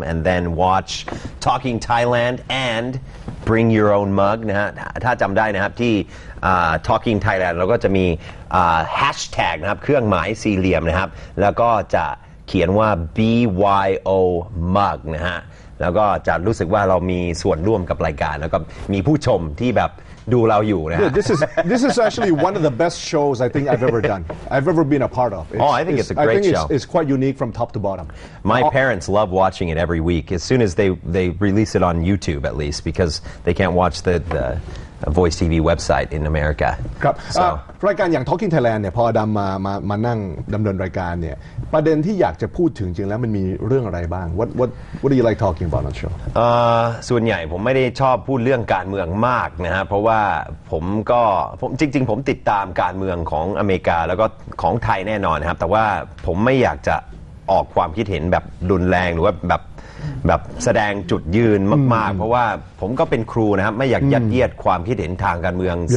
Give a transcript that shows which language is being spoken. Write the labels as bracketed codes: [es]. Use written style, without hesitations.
[en] and then watch Talking Thailand and bring your own mug [th] นะฮะถ้าจำได้นะครับที่Talking Thailand เราก็จะมีhashtag นะครับเครื่องหมายสี่เหลี่ยมนะครับแล้วก็จะเขียนว่า BYO mug นะฮะแล้วก็จะรู้สึกว่าเรามีส่วนร่วมกับรายการแล้วก็มีผู้ชมที่แบบดูเราอยู่นะ [en] This is actually one of the best shows I think I've ever done. I've ever been a part of. I think it's a great show. It's quite unique from top to bottom. My parents love watching it every week. As soon as they release it on YouTube, at least, because they can't watch the Voice TV website in America. [th] ครับ รายการอย่าง Talking Thailand เนี่ยพอดำมานั่งดำเนินรายการเนี่ยประเด็นที่อยากจะพูดถึงจริงแล้วมันมีเรื่องอะไรบ้าง [en] What do you like talking about on the show? [th] ส่วนใหญ่ผมไม่ได้ชอบพูดเรื่องการเมืองมากนะฮะเพราะว่าผมจริงๆผมติดตามการเมืองของอเมริกาแล้วก็ของไทยแน่นอนครับแต่ว่าผมไม่อยากจะออกความคิดเห็นแบบรุนแรงหรือว่าแบบแสดงจุดยืนมากๆเพราะว่าผมก็เป็นครูนะครับไม่อยากยัดเยียดความคิดเห็นทางการเมือง yeah.